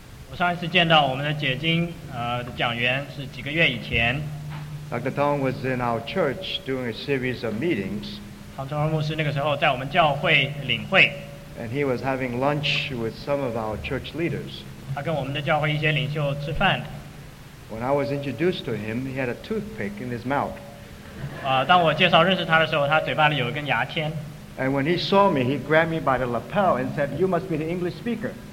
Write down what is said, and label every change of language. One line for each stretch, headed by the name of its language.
Chinese: 我上一次见到我们的解经讲员是几个月以前。
English: Dr. Tong was in our church doing a series of meetings.
Chinese: 唐中华牧师那个时候在我们教会领会。
English: And he was having lunch with some of our church leaders.
Chinese: 他跟我们的教会一些领袖吃饭。
English: When I was introduced to him, he had a toothpick in his mouth.
Chinese: 当我介绍认识他的时候，他嘴巴里有一根牙签。
English: And when he saw me, he grabbed me by the lapel and said, "You must be the English speaker."